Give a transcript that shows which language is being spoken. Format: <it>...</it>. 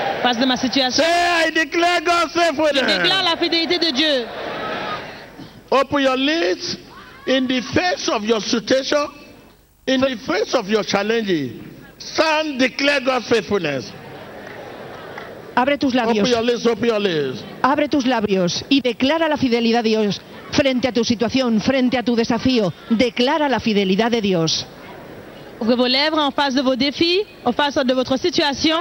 <fr>Face de ma situation.</fr> <en>Say, I declare God's faithfulness.</en> <fr>Je déclare la fidélité de Dieu.</fr> <en>Open your lips. In the face of your situation, in the face of your challenges, stand, declare God's faithfulness.</en> <es>Abre tus labios.</es> <en>Open your lips. Open your lips.</en> <es>Abre tus labios y declara la fidelidad de Dios frente a tu situación, frente a tu desafío. Declara la fidelidad de Dios.</es> <fr>Ouvrez vos lèvres en face de vos défis, en face de votre situation.</fr>